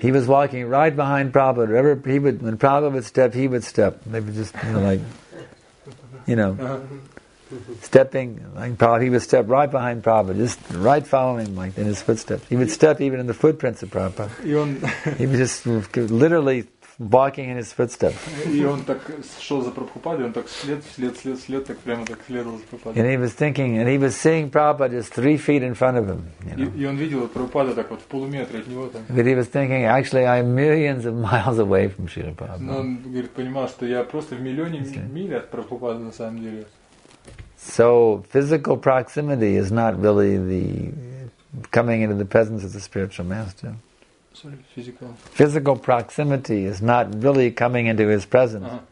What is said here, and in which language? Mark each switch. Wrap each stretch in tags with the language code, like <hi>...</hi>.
<en>He was walking right behind Prabhupada. Wherever he would, when Prabhupada would step, he would step. They were just, you know, like, you know, stepping. Like Prabhupada, he would step right behind Prabhupada, just right following, like in his footsteps. He would step even in the footprints of Prabhupada.</en> <ru>И он.</ru> <en>He was just literally. Walking in his footsteps.</en> <ru>И он так шел за Прабхупадой, он так след так прямо так следовал за Прабхупадой.</ru> <en>And he was thinking, and he was seeing Prabhupada just 3 feet in front of him. You know.</en> <ru>И он видел Прабхупаду так вот в полуметре от него там.</ru> <en>But he was thinking, actually, I'm millions of miles away from Srila Prabhupada.</en> <ru>Но он говорит, понимал, что я просто в миллионе миль от Прабхупады на самом деле.</ru> <en>So physical proximity is not really the coming into the presence of the spiritual master. Physical proximity is not really coming into his presence.</en>